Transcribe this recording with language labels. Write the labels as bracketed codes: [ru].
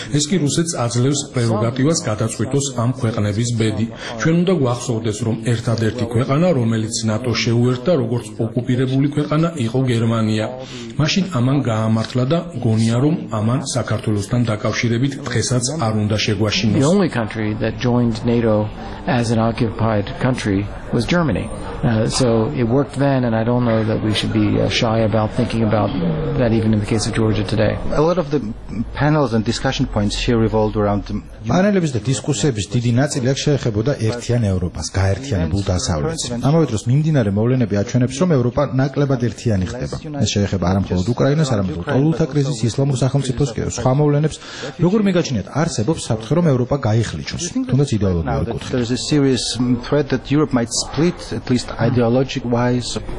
[ka] ეს კი რუსეთს აძლევს პრეროგატივას გადაწყვიტოს ამ ქვეყნების ბედი. ჩვენ უნდა გვახსოვდეს, რომ ერთადერთი ქვეყანა, რომელიც ნატო შეუერთდა, როგორც ოკუპირებული ქვეყანა, იყო გერმანია. მაშინ ამან გაამართლა და გონია, რომ ამან საქართველოსთან დაკავშირებით დღესაც არ უნდა შეგვაშინოს. [en] The only country that joined NATO as an occupied country was Germany. So it worked then, and I don't know that we should be shy about thinking about that even in the case of Georgia today. A lot of the panels and discussion points here revolved around the [ka] პანელების და დისკუსიების დიდი ნაწილი აქ შეეხებოდა ერთიან ევროპას, გაერთიანებულ დასავლეთს. ამავე დროს მიმდინარე მოვლენები აჩვენებს, რომ ევროპა ნაკლებად ერთიანი ხდება. ეს შეეხება არამხოლოდ უკრაინას, არამედ პოლულთა კრიზის ისლამურ სახელმწიფოს კი, სხვა მოვლენებს. როგორ მიგაჩნიათ, არსებობს საფრთხე, რომ ევროპა გაიხლიჩოს, თუნდაც იდეოლოგიურ კუთხეში? [en] There is a serious threat that Europe might split, at least ideologically-wise.